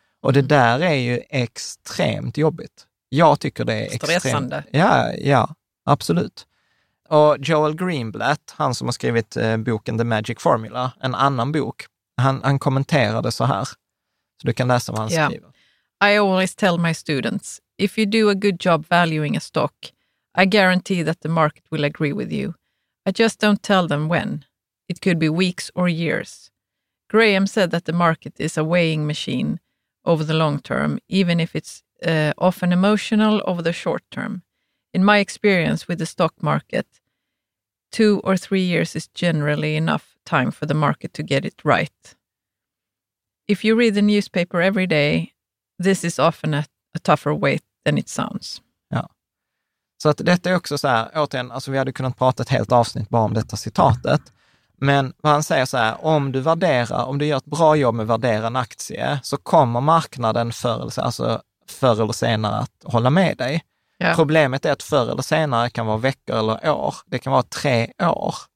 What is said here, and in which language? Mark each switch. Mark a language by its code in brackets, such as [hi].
[sv] Och det där är ju extremt jobbigt. Jag tycker det är stressande. Ja, ja, absolut. Och Joel Greenblatt, han som har skrivit boken The Magic Formula, en annan bok, han kommenterade så här. Så du kan läsa vad han skriver. [en] I always tell my students, if you do a good job valuing a stock, I guarantee that the market will agree with you. I just don't tell them when. It could be weeks or years. Graham said that the market is a weighing machine over the long term, even if it's often emotional over the short term. In my experience with the stock market, 2 or 3 years is generally enough time for the market to get it right. If you read the newspaper every day, this is often a tougher wait than it sounds. [sv] Ja. Så att detta är också så här, återigen, alltså vi hade kunnat prata ett helt avsnitt bara om detta citatet. Men vad han säger så här, om du värderar, om du gör ett bra jobb med att värdera en aktie, så kommer marknaden förr eller senare att hålla med dig. Ja. Problemet är att förr eller senare kan vara veckor eller år. Det kan vara 3 år.